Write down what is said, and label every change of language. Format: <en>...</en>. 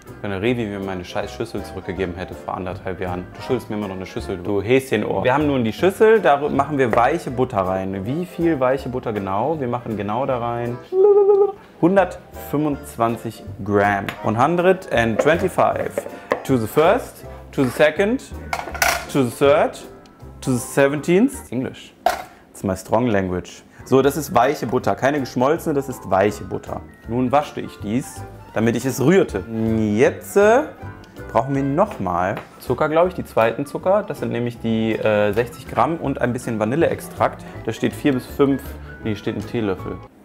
<de>Wenn Revi mir meine scheiß Schüssel zurückgegeben hätte vor anderthalb Jahren. Du schuldest mir immer noch eine Schüssel, du Häschenohr. Wir haben nun die Schüssel, da machen wir weiche Butter rein. Wie viel weiche Butter genau? Wir machen genau da rein 125 Gramm. 125.</de> <en>To the first, to the second, to the third, to the 17th. Englisch. It's my strong language.</en> <de>So, das ist weiche Butter. Keine geschmolzene, das ist weiche Butter. Nun waschte ich dies, damit ich es rührte. Jetzt brauchen wir nochmal Zucker, glaube ich, die zweiten Zucker. Das sind nämlich die 60 Gramm und ein bisschen Vanilleextrakt. Da steht 4 bis 5, nee, steht ein Teelöffel.</de>